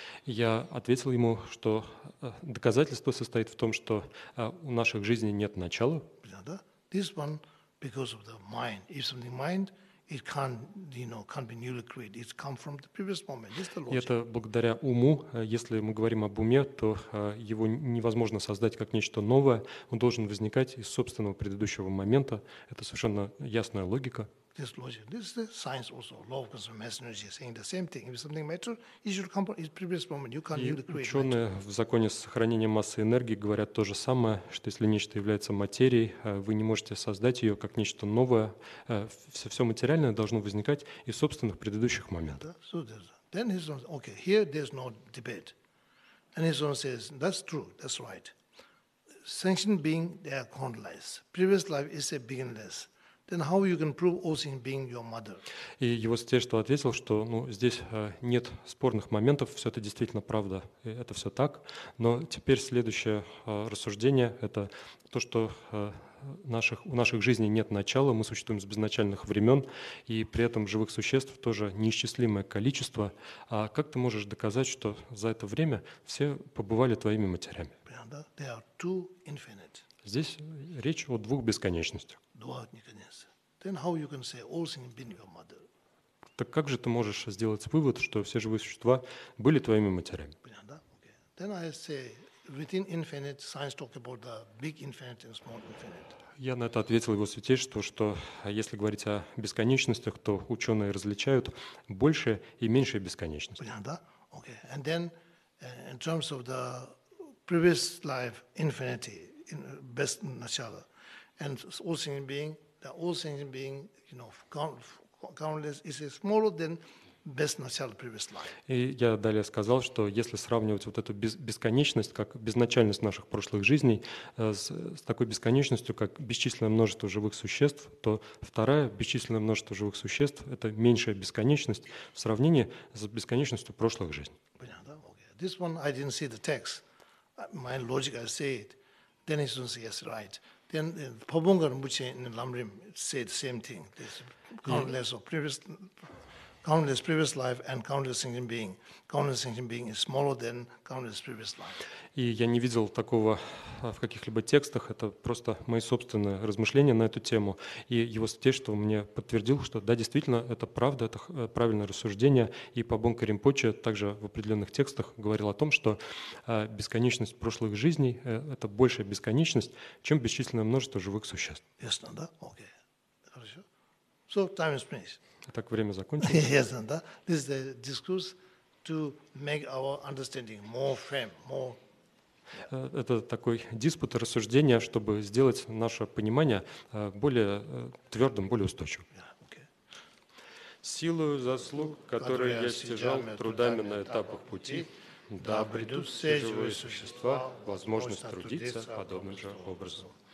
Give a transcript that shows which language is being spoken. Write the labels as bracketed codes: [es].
[ru] Я ответил ему, что доказательство состоит в том, что у наших жизней нет начала. [en] This one because of the mind. If something mind. It can't, you know, can't be newly created. It's come from the previous moment. This is the logic. [ru] Это благодаря уму. Если мы говорим об уме, то его невозможно создать как нечто новое. Он должен возникать из собственного предыдущего момента. Это совершенно ясная логика. [en] This logic. This is the science also. Law of cosmic messengers is saying the same thing. If something matter, it should come from its previous moment. You can't newly create. [ru] И ученые в законе сохранения массы энергии говорят то же самое, что если нечто является материей, вы не можете создать ее как нечто новое. Все материальное должно возникать из собственных предыдущих моментов. [en] So then he says, okay, here there's no debate. And he says, that's true, that's right. Sentient being, they are countless. Previous life is a beginningless. Then how you can prove all things being your mother? [ru] И его святейшество ответил, что ну здесь нет спорных моментов, все это действительно правда, и это все так. Но теперь следующее рассуждение это то, что у наших жизней нет начала, мы существуем с безначальных времен, и при этом живых существ тоже неисчислимое количество. А как ты можешь доказать, что за это время все побывали твоими матерями? [en] They are too infinite. [ru] Здесь речь о двух бесконечностях. [en] Then how you can say all things been your mother? [ru] Так как же ты можешь сделать вывод, что все живые существа были твоими матерями? [en] Okay. Then I say within infinite science talk about the big infinite and small infinite. [ru] Я на это ответил его святейшеству, что если говорить о бесконечностях, то ученые различают большее и меньшее бесконечность. Понятно? [en] Okay. And then in terms of the previous life infinity in best начало. And all things being, you know, countless, is smaller than best natural previous life. [ru] И я далее сказал, что если сравнивать вот эту бесконечность, как безначальность наших прошлых жизней, с такой бесконечностью, как бесчисленное множество живых существ, то вторая бесчисленное множество живых существ – это меньшая бесконечность в сравнении с бесконечностью прошлых жизней. Понятно? [en] Okay. This one I didn't see the text. My logic, I say it. Then he says, yes, right. Then Pabungar Muche in Lamrim said the same thing. There's countless previous life and countless sentient being. Countless sentient being is smaller than countless previous life. [ru] И я не видел такого в каких-либо текстах. Это просто мои собственные размышления на эту тему. И его святейшество мне подтвердил, что да, действительно, это правда, это правильное рассуждение. И Пабонка Ринпоче также в определенных текстах говорил о том, что бесконечность прошлых жизней – это большая бесконечность, чем бесчисленное множество живых существ. Ясно, да? Окей. Хорошо. [en] So, time is finished. [ru] Итак, время закончилось. Ясно, да? [en] This is the discourse to make our understanding more firm, more. [ru] Это такой диспут и рассуждение, чтобы сделать наше понимание более твердым, более устойчивым. Силою заслуг, которые я стяжал трудами на этапах пути, да обретут все живые существа возможность трудиться подобным же образом.